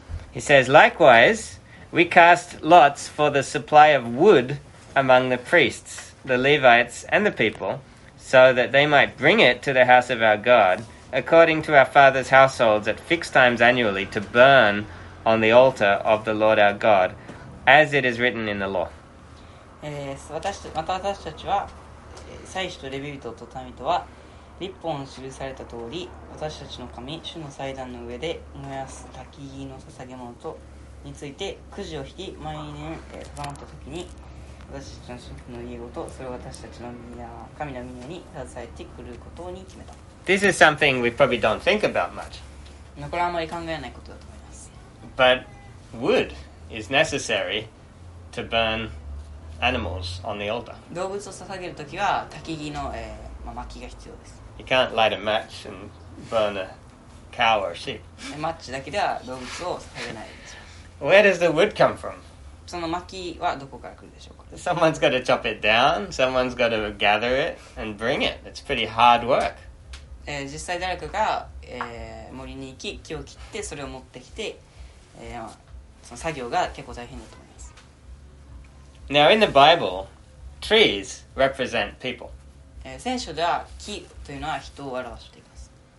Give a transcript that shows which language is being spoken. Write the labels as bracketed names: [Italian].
[English] He says, Likewise, we cast lots for the supply of wood among the priests, the Levites, and the people, so that they might bring it to the house of our God, according to our fathers' households at fixed times annually to burn on the altar of the Lord our God, as it is written in the law. [Japanese] また私たちは祭司とレビ人と民とは立法の記された通り私たちの神主の祭壇の上で燃やす焚き木の捧げ物とについてくじを引き毎年定まった時に私たちの主婦の家ごとそれを私たちの宮神の宮に携えてくることに決めた。 [English] This is something we probably don't think about much. [Japanese] これはあまり考えないことだと思います。 [English] But wood is necessary to burnanimals on the altar. [Japanese] 動物を捧げるときは焚き木の、まあ、薪が必要です。 [English] You can't light a match and burn a cow or sheep. [Japanese] マッチだけでは動物を捧げないです。 [English] Where does the wood come from? [Japanese] その薪はどこから来るでしょうか? [English] Someone's got to chop it down. Someone's got to gather it and bring it. It's pretty hard work. [Japanese] 実際誰かが、森に行き木を切ってそれを持ってきて、その作業が結構大変だと思います。 [English] Now in the Bible, trees represent people. [Japanese] 聖書では木というのは人を表しています。